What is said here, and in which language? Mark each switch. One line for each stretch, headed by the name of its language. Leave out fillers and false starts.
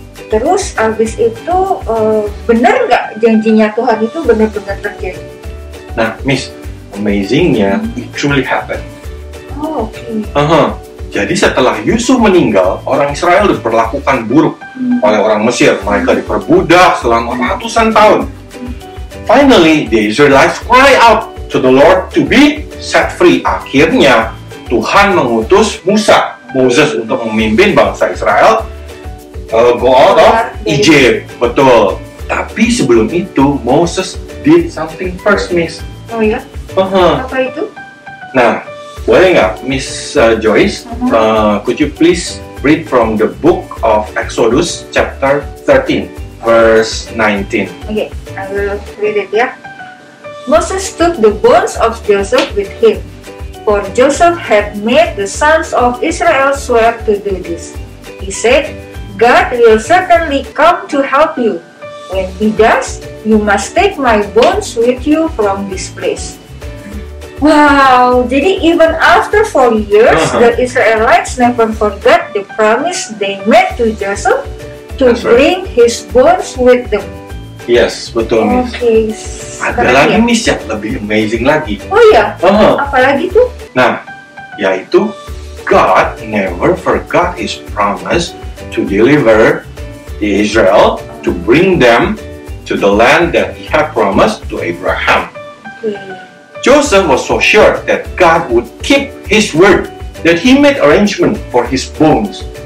Indonesian: Terus abis itu benar nggak janjinya Tuhan itu benar-benar terjadi?
English: Nah, Miss, amazingnya it truly happened. Oh, okay.
Indonesian: Jadi setelah Yusuf meninggal, orang Israel diperlakukan buruk oleh orang Mesir. Mereka diperbudak selama ratusan tahun.
English: Finally, the Israelites cry out to the Lord to be set free.
Indonesian: Akhirnya Tuhan mengutus Moses untuk memimpin bangsa Israel
English: go out of Egypt.
Indonesian: Betul. Tapi sebelum itu,
English: Moses did something first, Miss.
Indonesian: Oh ya? Apa itu? Nah, boleh nggak, Miss Joyce?
English: Could you please read from the book of Exodus, chapter 13, verse 19. Okay, I will read it, ya. Moses took the bones of Joseph with him, for Joseph had made the sons of Israel swear to do this. He said, God will certainly come to help you. When he does, you must take my bones with you from this place. Wow, jadi even after 40 years, the Israelites never forgot the promise they made to Joseph to bring his bones with them. Yes, betul, okay. Miss.
Indonesian: Ada lagi, Miss, yang lebih amazing lagi. Oh iya? Apalagi tuh? Nah, yaitu
English: God never forgot his promise to deliver the Israel, to bring them to the land that he had promised to Abraham. Joseph was so sure that God would keep his word that he made arrangement for his bones.